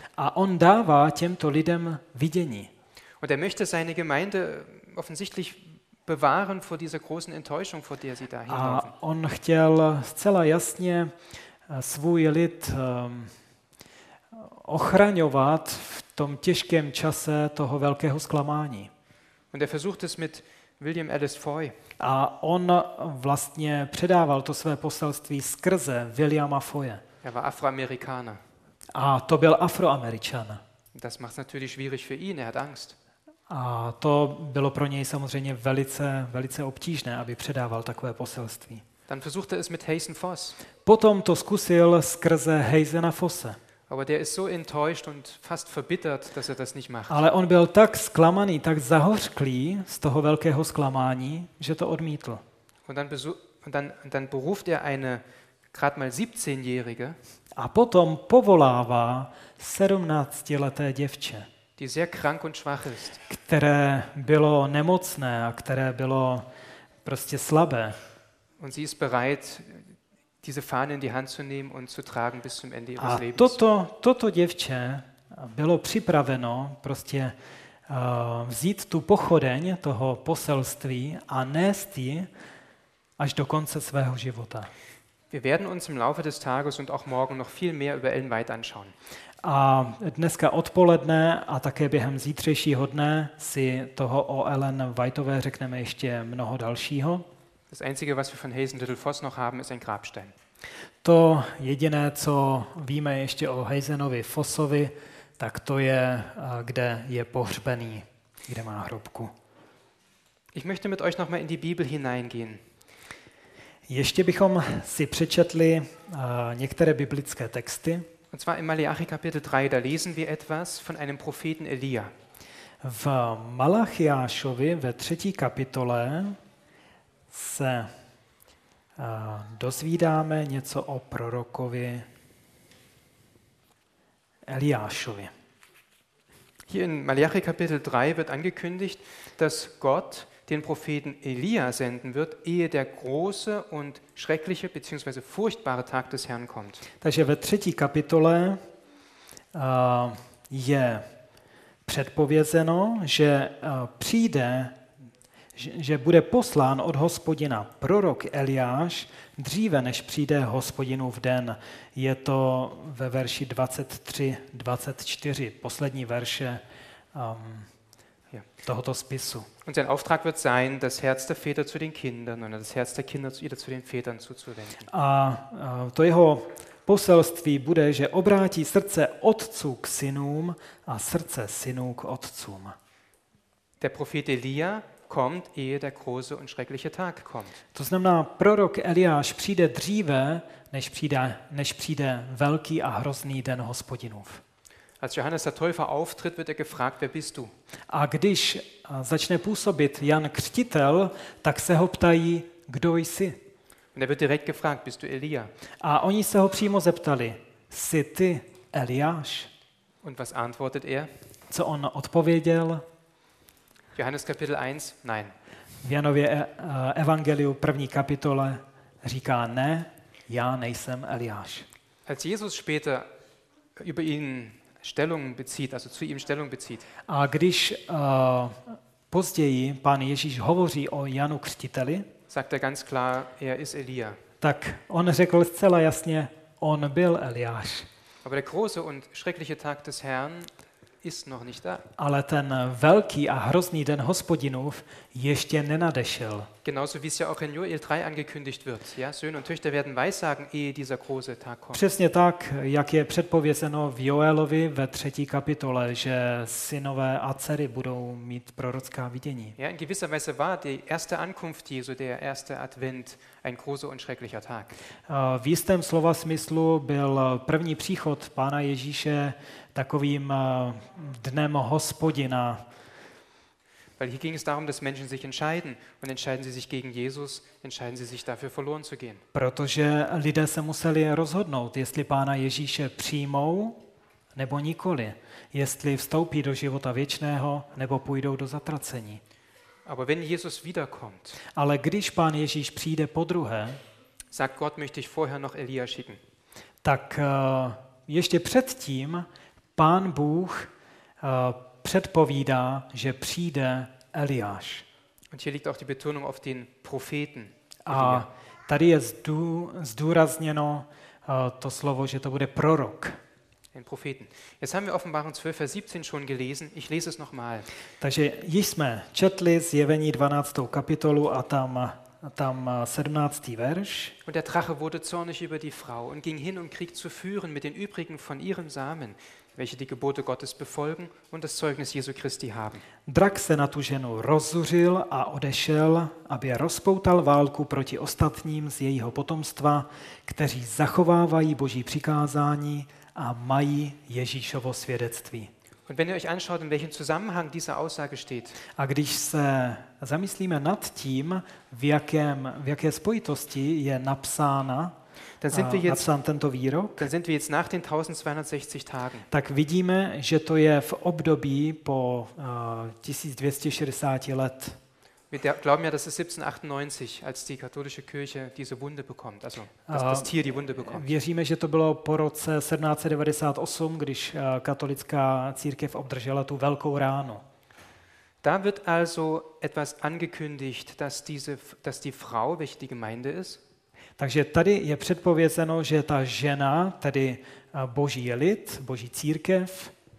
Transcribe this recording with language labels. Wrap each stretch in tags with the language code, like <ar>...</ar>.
<cs>A on dává těmto lidem vidění.</cs> <de>Und er möchte seine Gemeinde offensichtlich bewahren vor dieser großen Enttäuschung, vor der sie da hinlaufen.</de> <cs>A on chtěl zcela jasně svůj lid ochraňovat v tom těžkém čase toho velkého zklamání.</cs> <de>Und er versucht es mit William Ellis Foy.</de> <cs>A on vlastně předával to své poselství skrze Williama Foye.</cs> <de>Er war Afroamerikaner.</de> <cs>A to byl Afroamerikan.</cs> <de>Das macht natürlich schwierig für ihn, er hat Angst.</de> <cs>A to bylo pro něj samozřejmě velice, velice obtížné, aby předával takové poselství.</cs> <de>Dann versuchte es mit Hazen Foss.</de> <cs>Potom to zkusil skrze Hazena Fosse.</cs> <de>Aber der ist so enttäuscht und fast verbittert, dass er das nicht macht.</de> <cs>Ale on byl tak zklamaný, tak zahořklý z toho velkého zklamání, že to odmítl.</cs> <de>Und dann beruft er eine gerade mal 17-jährige.</de> <cs>A potom povolává 17-leté děvče,</cs> <de>die sehr krank und schwach ist.</de> <cs>Které bylo nemocné a které bylo prostě slabé.</cs> <de>Und sie ist bereit, diese Fahne in die Hand zu nehmen und zu tragen bis zum Ende ihres Lebens.</de> <cs>A toto děvče bylo připraveno prostě vzít tu pochodeň toho poselství a nést ji až do konce svého života.</cs> <de>Wir werden uns im Laufe des Tages und auch morgen noch viel mehr über Ellen White anschauen.</de> <cs>A dneska odpoledne a také během zítřejšího dne si toho o Ellen Whiteové řekneme ještě mnoho dalšího.</cs> <de>Das einzige, was wir von Hazen Little Foss noch haben, ist ein Grabstein.</de> <cs>To jediné, co víme ještě o Hazenovi Fossovi, tak to je, kde je pohřbený, kde má hrobku.</cs> <de>Ich möchte mit euch noch mal in die Bibel hineingehen.</de> <cs>Ještě bychom si přečetli některé biblické texty.</cs> <de>Und zwar in Malachi Kapitel 3, da lesen wir etwas von einem Propheten Elia.</de> <cs>V Malachiášovi ve 3. kapitole se dozvídáme něco o prorokovi Eliášovi.</cs> <de>Hier in Malachi Kapitel 3 wird angekündigt, dass Gott den Propheten Elia senden wird, ehe der große und schreckliche bzw. furchtbare Tag des Herrn kommt.</de> <cs>Takže ve 3. kapitole je předpovězeno, že přijde, že bude poslán od Hospodina prorok Eliáš dříve, než přijde Hospodinův den. Je to ve verši 23-24, poslední verše tohoto spisu.</cs> <de>Und sein Auftrag wird sein, das Herz der Väter zu den Kindern und das Herz der Kinder wieder zu den Vätern zuzuwenden.</de> <cs>A to jeho poselství bude, že obrátí srdce otců k synům a srdce synů k otcům.</cs> <de>Der Prophet Elia kommt, ehe der große und schreckliche Tag kommt.</de> <cs>To znamená, prorok Eliáš přijde dříve, než přijde velký a hrozný den Hospodinův.</cs> <de>Als Johannes der Täufer auftritt, wird er gefragt, wer bist du?</de> <cs>A když začne působit Jan Křtitel, tak se ho ptají, kdo jsi?</cs> <de>Und er wird direkt gefragt, bist du Elia?</de> <cs>A oni se ho přímo zeptali, jsi ty Eliáš?</cs> <de>Und was antwortet er?</de> <cs>Co on odpověděl?</cs> <de>Johannes Kapitel 1, nein.</de> <cs>V Janově evangeliu první kapitole říká, ne, já nejsem Eliáš.</cs> <de>Als Jesus später über ihn Stellung bezieht, also zu ihm Stellung bezieht.</de> <cs>A když později pán Ježíš hovoří o Janu Křtiteli,</cs> <de>sagt er ganz klar, er ist Elia.</de> <cs>Tak on řekl zcela jasně, on byl Eliáš.</cs> <de>Aber der große und schreckliche Tag des Herrn ist noch nicht da.</de> <cs>Ale ten velký a hrozný den Hospodinův ještě nenadešel.</cs> <de>Genauso wie es ja auch in Joel 3 angekündigt wird, ja, Söhne und Töchter werden weissagen, ehe dieser große Tag kommt.</de> <cs>Přesně tak, jak je předpovězeno v Joelovi ve 3. kapitole, že synové a dcery budou mít prorocká vidění.</cs> <de>Ja, in gewisser Weise war die erste Ankunft Jesu, der erste Advent, ein großer und schrecklicher Tag.</de> <cs>V jistém slova smyslu byl první příchod Pána Ježíše takovým dnem Hospodina.</cs> <de>Weil hier ging es darum, dass Menschen sich entscheiden und entscheiden sie sich gegen Jesus, entscheiden sie sich dafür verloren zu gehen.</de> <cs>Protože lidé se museli rozhodnout, jestli Pána Ježíše přijmou nebo nikoli, jestli vstoupí do života věčného nebo půjdou do zatracení.</cs> <de>Aber wenn Jesus wiederkommt.</de> <cs>Ale když Pán Ježíš přijde podruhé,</cs> <de>sagt Gott, möchte ich vorher noch Elia schicken.</de> <cs>Tak ještě předtím Pán Bůh předpovídá, že přijde Eliáš.</cs> <de>Und hier liegt auch die Betonung auf den Propheten.</de> <cs>A tady je zdůrazněno to slovo, že to bude prorok.</cs> <de>Den Propheten. Jetzt haben wir Offenbarung 12, Vers 17 schon gelesen. Ich lese es nochmal.</de> <cs>Takže již jsme četli Zjevení 12. kapitolu a tam 17. verš.</cs> <de>Und der Drache wurde zornig über die Frau und ging hin, um Krieg zu führen mit den übrigen von ihrem Samen, welche die Gebote Gottes befolgen und das Zeugnis Jesu Christi haben.</de> <cs>Drak se na tu ženu rozzuřil a odešel, aby rozpoutal válku proti ostatním z jejího potomstva, kteří zachovávají Boží přikázání a mají Ježíšovo svědectví.</cs> <de>Und wenn ihr euch anschaut, in welchem Zusammenhang diese Aussage steht.</de> <cs>A když se zamyslíme nad tím, v jaké spojitosti je napsána,</cs> <de>dann sind wir jetzt,</de> <cs>napsán tento výrok,</cs> <de>dann sind wir jetzt nach den 1260 Tagen.</de> <cs>Tak vidíme, že to je v období po 1260 let.</cs> <de>Wir glauben ja, dass es 1798, als die katholische Kirche diese Wunde bekommt, also das Tier die Wunde bekommt.</de> <cs>Věříme, že to bylo po roce 1798, když katolická církev obdržela tu velkou ránu.</cs> <de>Da wird also etwas angekündigt, dass die Frau, welche die Gemeinde ist.</de> <cs>Takže tady je předpovězeno, že ta žena, tedy Boží lid, Boží církev,</cs>